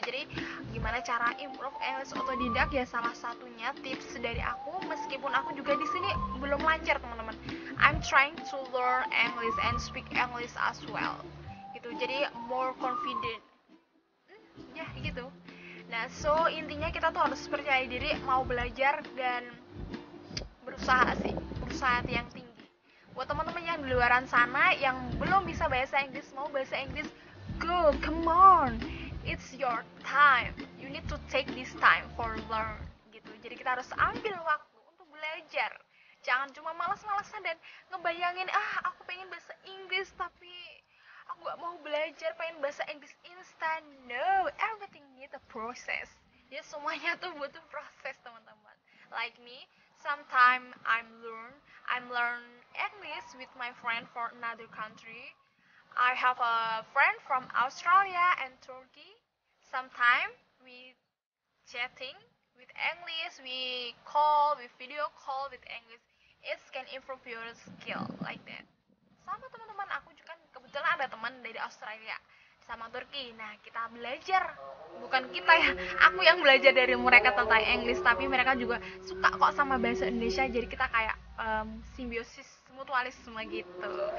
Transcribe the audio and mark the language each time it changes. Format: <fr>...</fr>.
<id>Jadi gimana cara improve English otodidak, ya salah satunya tips dari aku, meskipun aku juga di sini belum lancar teman-teman.</id> <en>I'm trying to learn English and speak English as well.</en> <id>Gitu. Jadi</id> <en>more confident.</en> <id>Ya, gitu. Nah, so intinya kita tuh harus percaya diri, mau belajar dan berusaha sih, berusaha yang tinggi. Buat teman-teman yang di luaran sana yang belum bisa bahasa Inggris, mau bahasa Inggris,</id> <en>go, come on. It's your time. You need to take this time for learn gitu.</en> <id>Jadi kita harus ambil waktu untuk belajar. Jangan cuma malas-malasan dan ngebayangin, ah aku pengen bahasa Inggris tapi aku gak mau belajar, pengen bahasa Inggris instan.</id> <en>No, everything need a process.</en> <id>Jadi semuanya tuh butuh proses teman-teman.</id> <en>Like me, sometime I'm learn English with my friend for another country. I have a friend from Australia and Turkey. Sometime we chatting with English, we call, we video call with English. It can improve your skill like that.</en> <id>Sama teman-teman, aku juga kebetulan ada teman dari Australia sama Turki. Nah, kita belajar. Bukan kita ya, aku yang belajar dari mereka tentang English, tapi mereka juga suka kok sama bahasa Indonesia. Jadi kita kayak simbiosis, mutualisme gitu.</id>